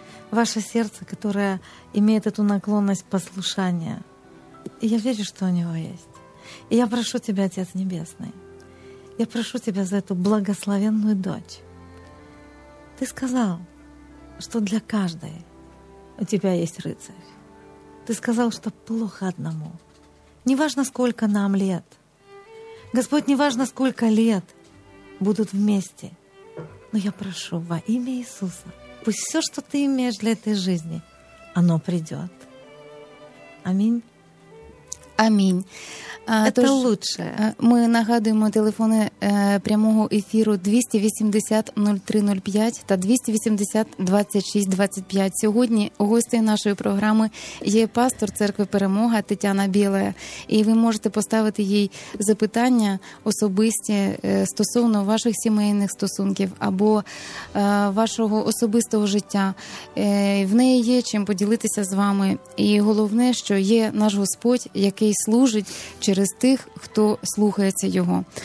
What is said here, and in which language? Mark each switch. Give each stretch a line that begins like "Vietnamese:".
Ukrainian: Ваше серце, яке має цю наклонність послушання. І я вірю, що у нього є. І я прошу тебе, Отець Небесний, я прошу тебе за цю благословенну дочь. Ти сказав, що для кожної
Russian: у тебя есть рыцарь. Ты сказал, что плохо одному. Не важно, сколько нам лет. Господь, не важно, сколько лет будут вместе. Но я прошу во имя Иисуса, пусть все, что ты имеешь для этой жизни, оно придет. Аминь. Аминь. Это лучше.
Ukrainian: Мы нагадуем телефоны прямого эфиру 280-03-05 та 280-26-25. Сьогодні гостею нашої програми є пастор Церкви Перемога Тетяна Білая. І ви можете поставити їй запитання особисті стосовно ваших сімейних стосунків або вашого особистого життя. В неї є чим поділитися з вами. І головне, що є наш Господь, який служить через тих, хто слухається Його.